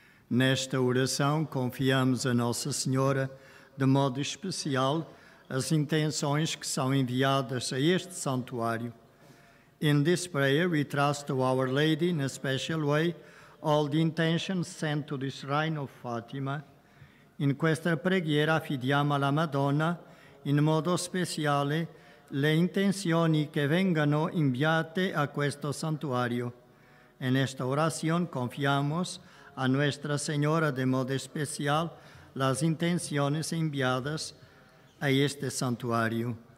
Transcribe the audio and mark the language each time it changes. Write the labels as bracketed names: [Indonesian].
[Portuguese] Nesta oração, confiamos a Nossa Senhora, de modo especial, as intenções que são enviadas a este santuário. [English] In this prayer, we trust to Our Lady in a special way all the intentions sent to the Shrine of Fatima. [Italian] In questa preghiera affidiamo alla Madonna in modo speciale le intenzioni che vengano inviate a questo santuario. [Spanish] En esta oración confiamos a Nuestra Señora de modo especial las intenciones enviadas a este santuario.